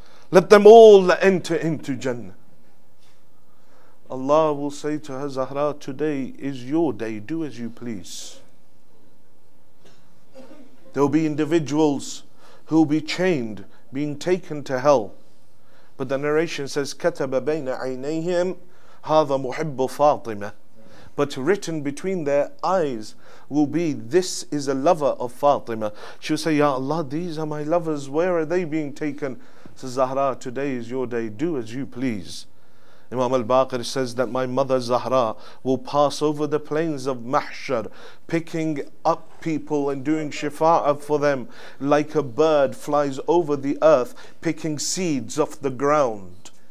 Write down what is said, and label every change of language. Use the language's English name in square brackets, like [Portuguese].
[English] Let them all enter into Jannah. Allah will say to her, Zahra, today is your day. Do as you please. There will be individuals who will be chained, being taken to hell. But the narration says, [Arabic] كَتَبَ بَيْنَ عَيْنَيْهِمْ هَذَا مُحِبُّ فَاطِمَةً. [English] But written between their eyes will be, this is a lover of Fatima. She will say, Ya Allah, these are my lovers. Where are they being taken? Says, Zahra, today is your day. Do as you please. Imam al-Baqir says that my mother Zahra will pass over the plains of Mahshar, picking up people and doing shifa'a for them, like a bird flies over the earth, picking seeds off the ground.